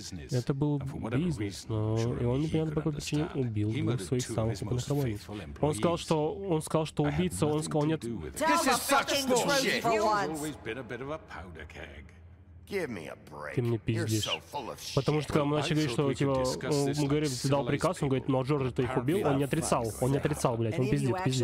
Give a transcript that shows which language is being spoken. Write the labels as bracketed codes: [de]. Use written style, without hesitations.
[ru] Это был бизнес, но и он непонятно по какой причине убил двух своих самых опытных работников. Он сказал, что убийца, он сказал нет. [en] This is such bullshit. You've always been a bit of a powder keg. Give me a break. [ru] Ты мне пиздишь. Потому что когда мы начали говорить, что типа, мы говорим, ты дал приказ, он говорит, но Джордж, ты их убил, он не отрицал, блять, он пиздит.